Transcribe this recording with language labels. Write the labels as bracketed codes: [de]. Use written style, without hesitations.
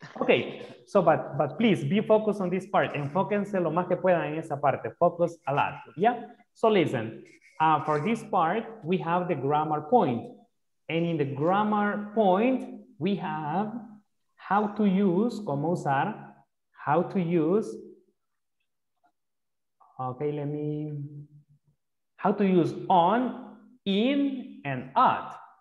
[en] Okay, so but please be focused on this part. [es] Enfóquense lo más que puedan en esa parte. [en] Focus a lot, yeah? So listen, for this part, we have the grammar point. And in the grammar point, we have how to use, [es] cómo usar, [en] how to use, okay, let me, how to use on, in, and at.